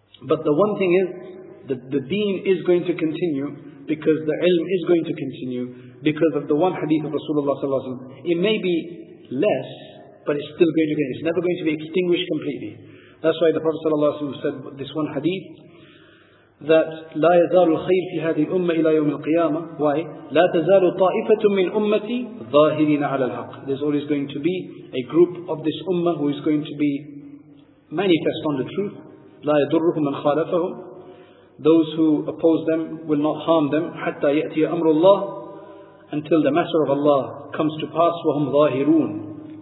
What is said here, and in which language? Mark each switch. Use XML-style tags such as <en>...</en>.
<en>But the one thing is, that the deen is going to continue, because the ilm is going to continue, because of the one hadith of Rasulullah sallallahu alayhi wa sallam. It may be less, but it's still going to be, it's never going to be extinguished completely. That's why the Prophet sallallahu alayhi wa sallam said this one hadith, that</en> <ar>لا يزال الخير في هذه الأمة إلى يوم القيامة.</ar> <en>Why?</en> <ar>لا تزال طائفة من أمتي ظاهرين على الحق.</ar> <en>There's always going to be a group of this ummah who is going to be manifest on the truth.</en> <ar>لا يضرهم من خالفهم.</ar> <en>Those who oppose them will not harm them.</en> <ar>حتى يأتي أمر الله.</ar> <en>Until the matter of Allah comes to pass.</en> <ar>وهم ظاهرون.</ar>